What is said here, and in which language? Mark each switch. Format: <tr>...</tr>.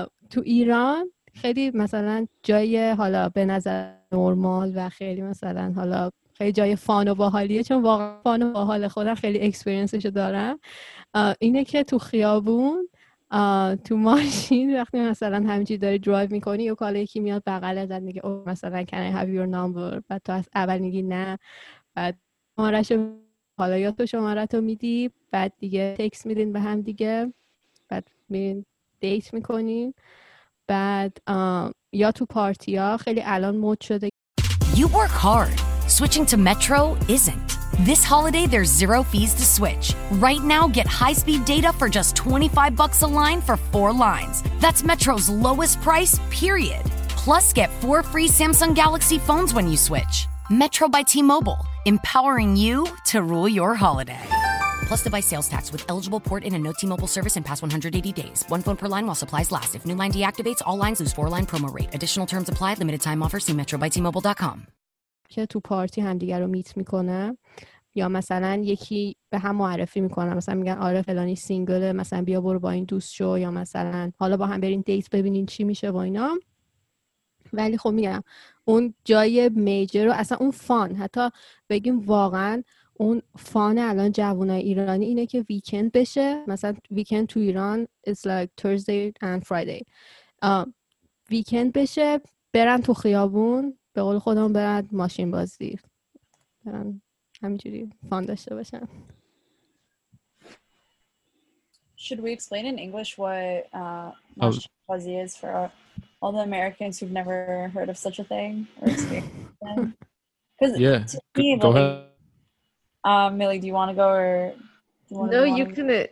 <fa>تو ایران خیلی مثلا جای حالا به نظر نرمال و خیلی مثلا حالا خیلی جای فان و باحالیه، چون واقعا فان و باحال، خودم خیلی اکسپریانسشو دارم، اینه که تو خیابون، تو ماشین وقتی مثلا همینجوری داری درایو میکنی یا کالا یکی میاد بغلت زد میگه او مثلا</fa> <en>can I have your number،</en> <fa>بعد تو از اول میگی نه، بعد حالا یا تو شماره تو میدی، بعد دیگه تکس میدین به هم دیگه، بعد میرین دیت میکنین، بعد یا تو پارتی ها خیلی الان مود شده.</fa> <en>You work hard. Switching to Metro isn't. This holiday there's zero fees to switch. Right now get high speed data for just $25 a line for 4 lines. That's Metro's lowest price period. Plus get 4 free Samsung Galaxy phones when you switch. Metro by T-Mobile. Empowering you to rule your holiday. Plus device sales tax with eligible port in and no T-Mobile service in past 180 days. One phone per line while supplies last. If new line deactivates, all lines lose 4-line promo rate. Additional terms apply. Limited time offer. See metrobytmobile.com.</en> <fa>که تو پارتی همدیگر رو میت میکنه. یا مثلا یکی به هم معرفی میکنن، مثلا میگن آره فلانی سینگله، مثلا بیا برو با این دوست شو، یا مثلا حالا با هم برین دیت ببینین چی میشه با اینا. ولی خب میگم اون جای میجر و اصلا اون فان، حتی بگیم واقعا اون فان الان جوانای ایرانی اینه که ویکند بشه، مثلا ویکند تو ایران</fa> <en>is like Thursday and Friday،</en> <fa>ویکند بشه برن تو خیابون، به قول خودم برن ماشین بازی، برن همینجوری فان داشته باشن.</fa> <en>Should we explain in English what ماشین بازی is for all the Americans who've never heard of such a thing or experienced them? Yeah, go ahead. Millie, do you want to go or do you want to go? No, you can.</en>